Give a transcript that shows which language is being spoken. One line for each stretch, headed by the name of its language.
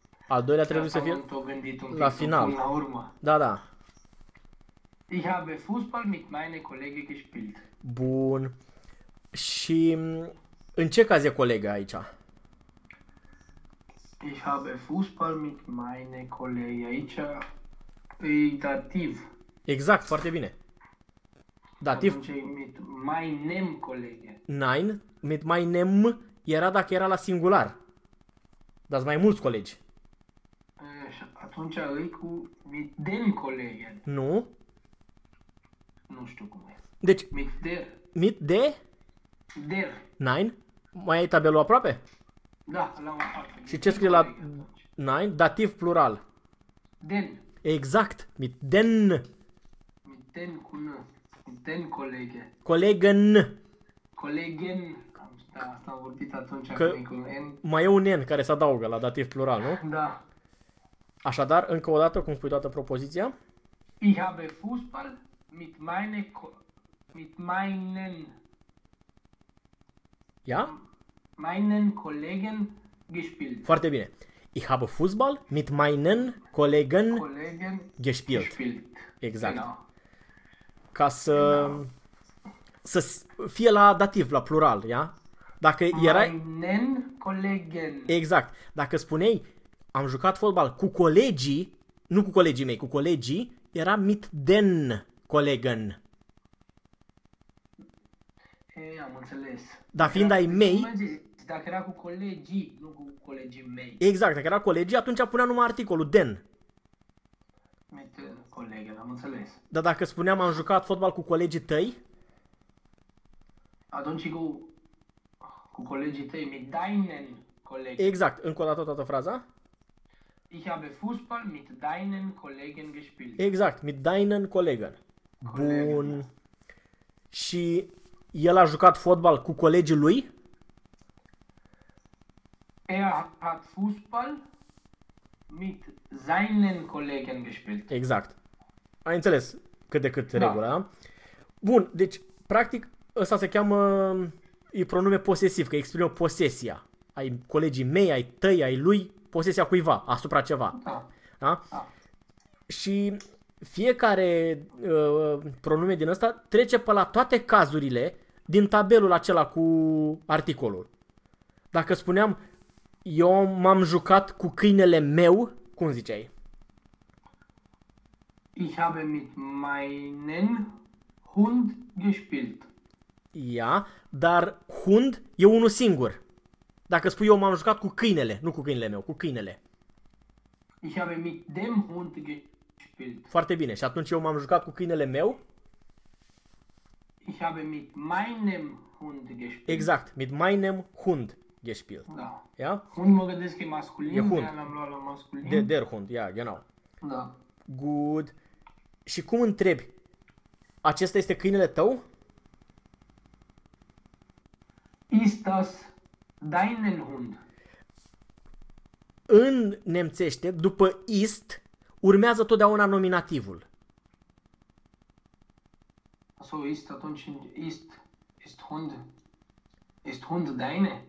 Romanian: Al doilea trebuie să fie la final. La urmă. Da, da.
German: Ich habe Fußball mit meine Kollegen gespielt.
Romanian: Bun. Și în ce caz e colega aici?
German: Ich habe Fußball mit meine Kollegen aici.
Romanian: E dativ. Exact, foarte bine. Dativ. Atunci e
German: mit meinem Kollegen.
Romanian: Nein,
German: mit meinem
Romanian: era dacă era la singular. Dar mai mulți colegi. Atunci e cu
German: mit dem Kollegen.
Romanian: Nu. Nu știu cum e. Deci,
German: mit der. Mit de? Der.
Romanian: Nein? Mai ai tabelul aproape? Da, l-am aproape. Și ce scrie la nein? Dativ plural.
German: Den. Exact. Mit den. Mit den cu n. Mit den colege. Colegen. Colegen.
Romanian: Da, asta am vorbit atunci că cu n. Mai e un n care se adaugă la dativ plural, nu? Da. Așadar, încă o dată, cum spui toată propoziția?
German: Ich habe Fußball mit meine mit meinen ja? Meinen Kollegen gespielt.
Romanian: Foarte bine.
German: Ich habe Fußball mit meinen Kollegen, Kollegen gespielt. Gespielt.
Romanian: Exact. Genau. Ca să, genau. Să fie la dativ, la plural, ja? Dacă erai...
German: Meinen Kollegen.
Romanian: Exact. Dacă spuneai, am jucat fotbal cu colegii, nu cu colegii mei, cu colegii, era
German: mit den Kollegen.
Romanian: Ei, am înțeles. Dar fiind ai mei... Dacă era cu colegii, nu cu colegii mei. Exact, dacă era colegii, atunci punea numai articolul, den. Mit colegă, am înțeles. Dar dacă spuneam, am jucat fotbal cu colegii tăi... Atunci cu colegii tăi,
German: mit deinen
Romanian: colegii. Exact, încă o dată toată fraza.
German: Ich habe Fußball mit deinen Kollegen gespielt. Exact, mit deinen Kollegen.
Romanian: Bun. Și... El a jucat fotbal cu colegii lui?
German: Er hat Fußball mit seinen Kollegen gespielt.
Romanian: Exact. Ai înțeles cât de cât regula, da? Bun, deci, practic, ăsta se cheamă, e pronume posesiv, că exprimă posesia. Ai colegii mei, ai tăi, ai lui, posesia cuiva, asupra ceva. Da. Da? Da. Și fiecare pronume din ăsta trece pe la toate cazurile din tabelul acela cu articolul. Dacă spuneam, eu m-am jucat cu câinele meu, cum ziceai?
German: Ich habe mit meinen Hund gespielt.
Romanian: Ia, dar Hund e unul singur. Dacă spui, eu m-am jucat cu câinele, nu cu câinele meu, cu câinele.
German: Ich habe mit dem Hund gespielt.
Romanian: Foarte bine, și atunci eu m-am jucat cu câinele meu.
German: Ich habe mit meinem Hund gespielt. Exact, mit meinem Hund gespielt.
Romanian: Da.
German: Ja?
Romanian: Hund mă gândesc că e masculin, de-aia l-am luat la masculin.
German: Der Hund, ja, genau.
Romanian: Da. Good. Și cum întrebi? Acesta este câinele tău?
German: Ist das deinen Hund?
Romanian: În nemțește, după ist, urmează totdeauna nominativul.
German: So ist atunci in ist ist Hund ist Hund deine?